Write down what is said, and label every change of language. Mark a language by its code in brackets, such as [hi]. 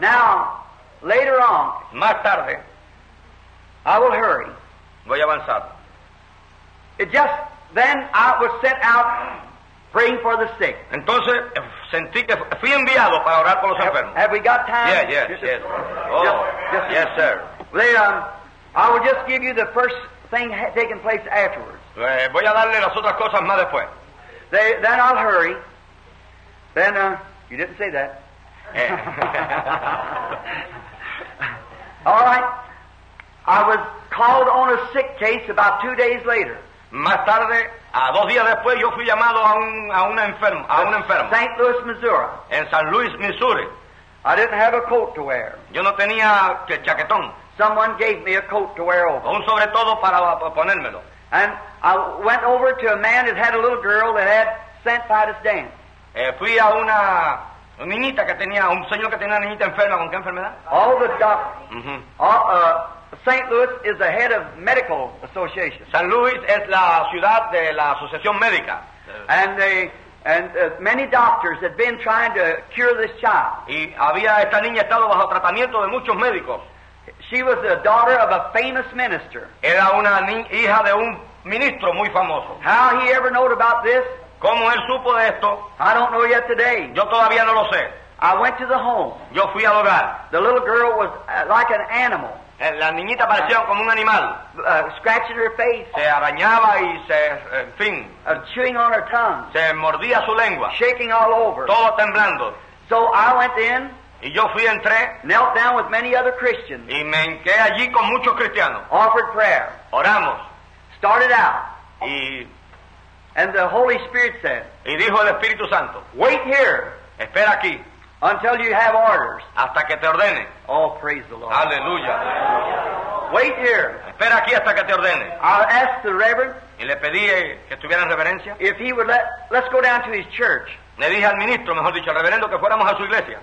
[en] Now, later on. [es] Más tarde. [en] I will hurry. [es] Voy a avanzar. [en] It just then I was sent out. Praying for the sick. [es] Entonces, sentí que fui enviado para orar por los enfermos. [en] Have we got time? Yes, yes. Yes, sir. Well, I will just give you the first thing taking place afterwards. [es] Voy a darle las otras cosas más después. [en] Then I'll hurry. Then, you didn't say that. All right. I was called on a sick case about 2 days later. [es] Más tarde, a 2 días después, yo fui llamado a un enfermo. [en] St. Louis, Missouri. [es] En San Luis, Missouri. [en] I didn't have a coat to wear. [es] Yo no tenía chaquetón. [en] Someone gave me a coat to wear over. [es] Un sobre todo para ponérmelo. [en] And I went over to a man that had a little girl that had St. Vitus dance. [es] Fui a una niñita que tenía, un señor que tenía una niñita enferma. ¿Con qué enfermedad? [en] All the doctors. St. Louis is the head of medical association. [es] San Luis es la ciudad de la asociación médica. [en] And many doctors had been trying to cure this child. [es] Y había esta niña estado bajo tratamiento de muchos médicos. [en] She was the daughter of a famous minister. [es] Era una hija de un ministro muy famoso. [en] How he ever knew about this? [es] ¿Cómo él supo de esto? [en] I don't know yet today. [es] Yo todavía no lo sé. [en] I went to the home. [es] Yo fui al hogar. [en] The little girl was like an animal. [es] La niñita parecía como un animal. [en] Scratching her face. [es] Se arañaba y se, en fin. [en] Chewing on her tongue. [es] Se mordía su lengua. [en] Shaking all over. [es] Todo temblando. [en] So I went in. [es] Y yo fui, entré, [en] knelt down with many other Christians. [es] Y me hinqué allí con muchos cristianos. [en] Offered prayer. [es] Oramos. [en] Started out. [es] Y, [en] and the Holy Spirit said, [es] y dijo el Espíritu Santo, [en] wait here. [es] Espera aquí. [en] Until you have orders. [es] Hasta que te ordene. [en] Oh, praise the Lord. [es] Aleluya. [en] Wait here. [es] Espera aquí hasta que te ordene. [en] I asked the reverend. [es] Y le pedí que estuviera en reverencia. [en] If he would let's go down to his church. [es] Le dije al ministro, mejor dicho, al reverendo, que fuéramos a su iglesia.